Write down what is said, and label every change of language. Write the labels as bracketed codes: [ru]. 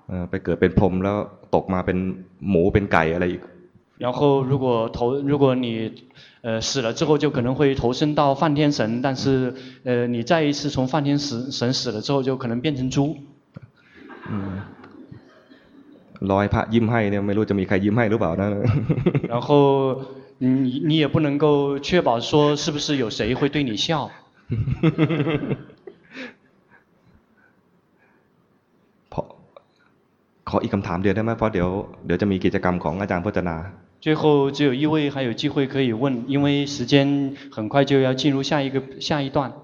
[th] ไปเกิดเป็นพรหมแล้วตกมาเป็นหมูเป็นไก่อะไรอีก [zh] 然后如果你死了之后就可能会投身到梵天神但是你再一次从梵天神死了之后就可能变成猪 [th] ลอยพระยิ้มให้เนี่ยไม่รู้จะมีใครยิ้มให้หรือเปล่านะ [zh] 然后你也不能够确保说是不是有谁会对你笑 [th] ขออีกคำถามเดียวได้ไหมเพราะเดี๋ยวจะมีกิจกรรมของอาจารย์พจนา [zh] 最后只有一位还有机会可以问因为时间很快就要进入下一段